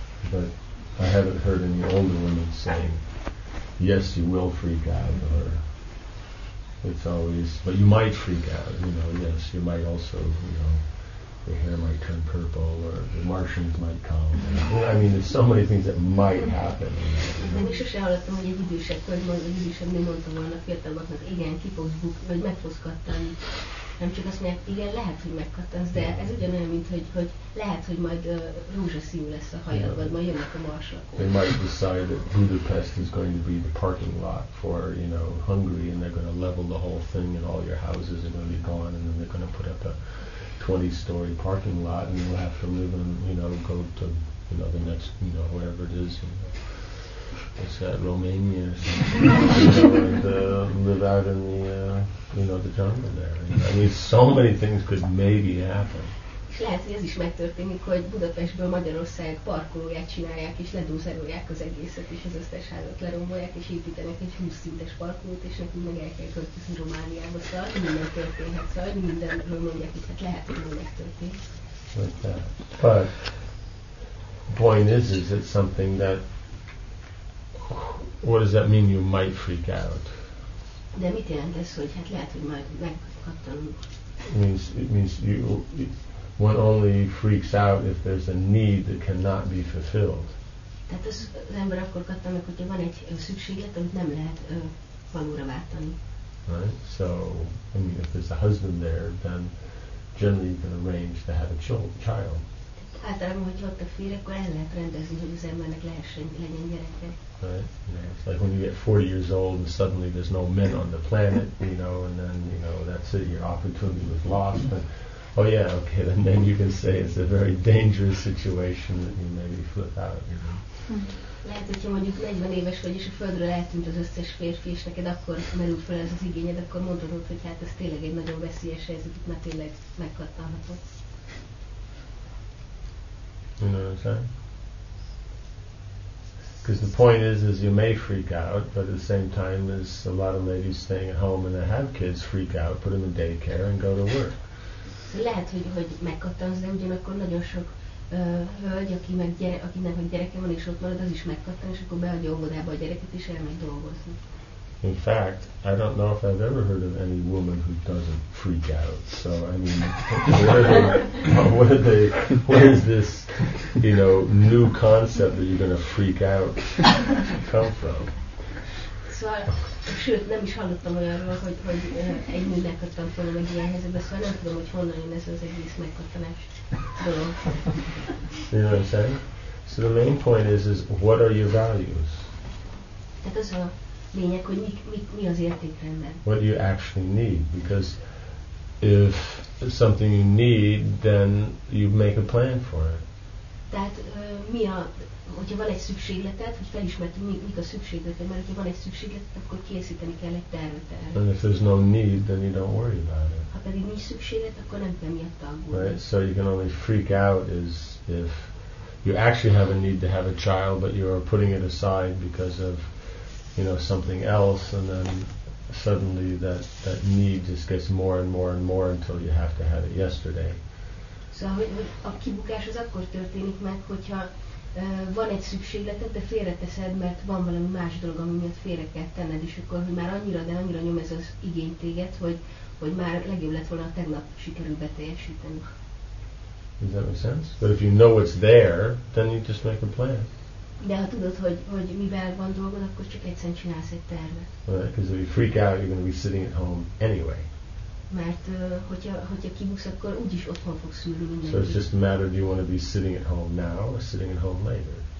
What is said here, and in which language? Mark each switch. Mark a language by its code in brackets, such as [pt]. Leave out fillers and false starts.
[en] But I haven't heard any older women saying, yes, you will freak out, or it's always, but you might freak out, you know, yes, you might also, you know, the hair might turn purple, or the Martians might come. And, I mean, there's so many things that might happen. [hu] Én sose hallottam, hogy egy idősebb hölgy, egy idősebb nő mondta volna fiataloknak, igen, ki fogsz bukni, vagy meg fogsz kattani. Nem csak azt mondják, igen, lehet, hogy megkattansz, de ez ugyanolyan, mint hogy lehet, hogy majd rózsaszínű lesz a hajad, vagy majd jönnek a marsak. [en] They might decide that Budapest is going to be the parking lot for, you know, Hungary, and they're going to level the whole thing, and all your houses are going to be gone, and then they're going to put up a 20-story parking lot, and you'll have to live in, you know, go to, you know, the next, you know, wherever it is, you know, what's that, Romania or something, you know, and live out in the, you know, the jungle there. You know, I mean, so many things could maybe happen. [hu] Lehet, hogy ez is megtörténik, hogy Budapestből Magyarország parkolóját csinálják, és ledúzerolják az egészet, és az összes házat lerombolják, és építenek egy 20-szintes parkolót, és nekünk meg el kell költözni Romániába. Szóval minden történhet, szóval mindenről mondják, hogy hát lehet, hogy minden történik. [en] But point is it something that, what does that mean you might freak out? [hu] De mit jelent ez, hogy hát lehet, hogy majd megkaptanunk? [en] It means you... One only freaks out if there's a need that cannot be fulfilled. [hu] Tehát az ember akkor kattan meg, hogyha van egy szükséglet, amit nem lehet valóra váltani. [en] Right? So, I mean, if there's a husband there, then generally you can arrange to have a child. [hu] Általában, hogyha ott a férj, akkor el lehet rendezni, hogy az embernek legyen gyereke. [en] Right? You know, it's like when you get 40 years old and suddenly there's no men on the planet, you know, and then, you know, that's it, your opportunity was lost. But Oh yeah, okay, and then you can say it's a very dangerous situation that you maybe flip out, you know. [hu] Lehet, hogyha mondjuk 40 éves vagy, és a földről eltűnt az összes férfi, és neked akkor merül fel ez az igényed, akkor mondhatod, hogy hát ez tényleg egy nagyon veszélyes helyzet, mert tényleg megkattanhatod. [en] You know what I'm saying? Because the point is you may freak out, but at the same time, there's a lot of ladies staying at home and they have kids freak out, put them in daycare and go to work. [hu] Lehet, hogy megkattansz, de ugyanakkor nagyon sok hölgy, akinek a gyereke van és ott marad, az is megkattan, és akkor beadja óvodába a gyereket és elmegy dolgozni. [en] In fact, I don't know if I've ever heard of any woman who doesn't freak out. So, I mean, where is this, you know, new concept that you're going to freak out come from? [hu] Sőt, nem is hallottam olyanról, hogy egy nő megkattan volna meg ilyen helyzetben, szóval nem tudom, hogy honnan jön ez az egész megkattanás dolog. [en] You know what I'm saying? So the main point is what are your values? [hu] Tehát az a lényeg, hogy mi az értékrendben. [en] What do you actually need? Because if it's something you need, then you make a plan for it. [hu] Tehát hogyha van egy szükségleted, hogy felismertünk, mik a szükségleted, mert hogyha van egy szükségleted, akkor készíteni kell egy tervet erre. [en] And if there's no need, then you don't worry about it. [hu] Ha pedig nincs szükséged, akkor nem kell miatt aggódni. [en] Right? So you can only freak out is if you actually have a need to have a child, but you're putting it aside because of, you know, something else, and then suddenly that need just gets more and more and more until you have to have it yesterday. [hu] Szóval, hogy a kibukás az akkor történik meg, hogyha van egy szükségleted, de félreteszed, mert van valami más dolog, ami miatt félre kell tenned, és akkor már annyira, de annyira nyom ez az igény téged, hogy már legjobb lett volna, tegnap sikerül beteljesíteni. [en] Does that make sense? But if you know it's there, then you just make a plan. [hu] De ha tudod, hogy mivel van dolgod, akkor csak egyszerűen csinálsz egy tervet. [en] Because if you freak out, you're going to be sitting at home anyway. [hu] Mert hogyha kibuksz, akkor úgyis otthon fogsz ülni mindenki. [en] So it's just a matter of, do you want to be sitting at home now or sitting at home later?